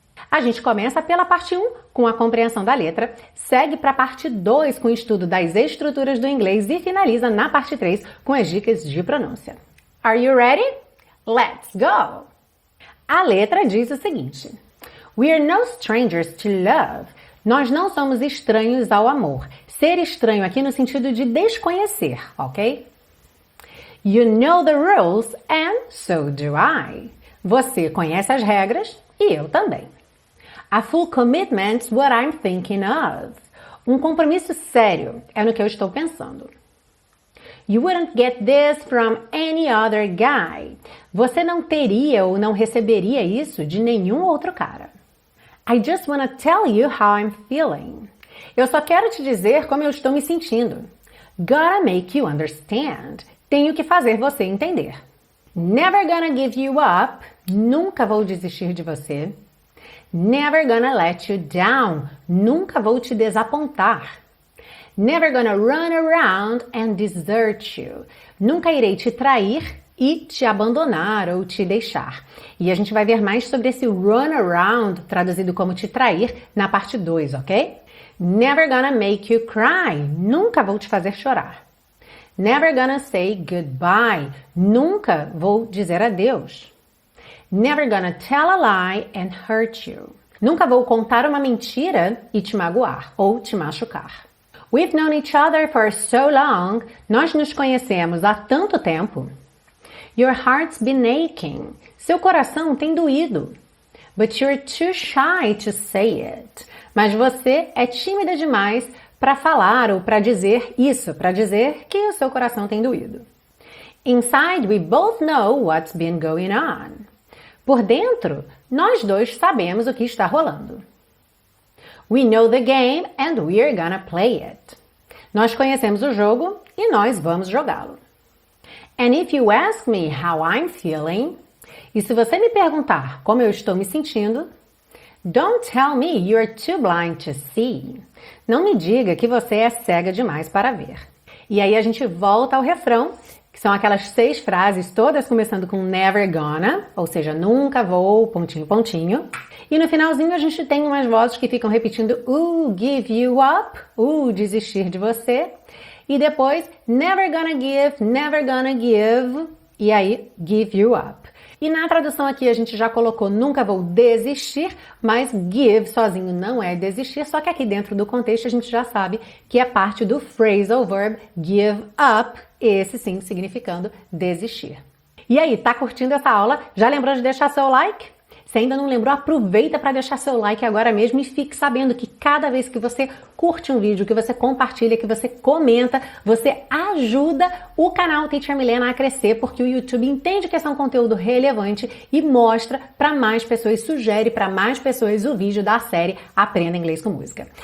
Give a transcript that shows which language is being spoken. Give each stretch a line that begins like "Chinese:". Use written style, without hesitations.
Portuguese: A gente começa pela parte 1, com a compreensão da letra, segue para a parte 2, com o estudo das estruturas do inglês e finaliza na parte 3, com as dicas de pronúncia.
English: Are you ready? Let's go!
Portuguese: A letra diz o seguinte:
English: We are no strangers to love.
Portuguese: Nós não somos estranhos ao amor. Ser estranho aqui no sentido de desconhecer, ok?
English: You know the rules and so do I.
Portuguese: Você conhece as regras e eu também.
English: A full commitment's what I'm thinking of.
Portuguese: Um compromisso sério é no que eu estou pensando.
English: You wouldn't get this from any other guy.
Portuguese: Você não teria ou não receberia isso de nenhum outro cara.
English: I just wanna tell you how I'm feeling.
Portuguese: Eu só quero te dizer como eu estou me sentindo.
English: Gotta make you understand.
Portuguese: Tenho que fazer você entender.
English: Never gonna give you up.
Portuguese: Nunca vou desistir de você.
English: Never gonna let you down.
Portuguese: Nunca vou te desapontar.
English: Never gonna run around and desert you.
Portuguese: Nunca irei te trair e te abandonar ou te deixar. E a gente vai ver mais sobre esse run around, traduzido como te trair, na parte 2, ok?
English: Never gonna make you cry.
Portuguese: Nunca vou te fazer chorar.
English: Never gonna say goodbye.
Portuguese: Nunca vou dizer adeus.
English: Never gonna tell a lie and hurt you.
Portuguese: Nunca vou contar uma mentira e te magoar ou te machucar.
English: We've known each other for so long.
Portuguese: Nós nos conhecemos há tanto tempo.
English: Your heart's been aching.
Portuguese: Seu coração tem doído.
English: But you're too shy to say it.
Portuguese: Mas você é tímida demais para falar ou para dizer isso, para dizer que o seu coração tem doído.
English: Inside, we both know what's been going on.
Portuguese: Por dentro, nós dois sabemos o que está rolando.
English: We know the game and we're gonna play it.
Portuguese: Nós conhecemos o jogo e nós vamos jogá-lo.
English: And if you ask me how I'm feeling,
Portuguese: E se você me perguntar como eu estou me sentindo,
English: don't tell me you're too blind to see.
Portuguese: Não me diga que você é cega demais para ver. E aí a gente volta ao refrão, que são aquelas seis frases, todas começando com
English: never gonna,
Portuguese: ou seja, nunca vou, pontinho, pontinho. E no finalzinho a gente tem umas vozes que ficam repetindo
English: give you up,
Portuguese: desistir de você. E depois,
English: never gonna give, never gonna give,
Portuguese: e aí, give you up. E na tradução aqui a gente já colocou nunca vou desistir, mas give sozinho não é desistir, só que aqui dentro do contexto a gente já sabe que é parte do phrasal verb give up, esse sim significando desistir. E aí, tá curtindo essa aula? Já lembrou de deixar seu like? Se ainda não lembrou, aproveita para deixar seu like agora mesmo e fique sabendo que cada vez que você curte um vídeo, que você compartilha, que você comenta, você ajuda o canal Teacher Milena a crescer, porque o YouTube entende que esse é um conteúdo relevante e mostra para mais pessoas, sugere para mais pessoas o vídeo da série Aprenda Inglês com Música.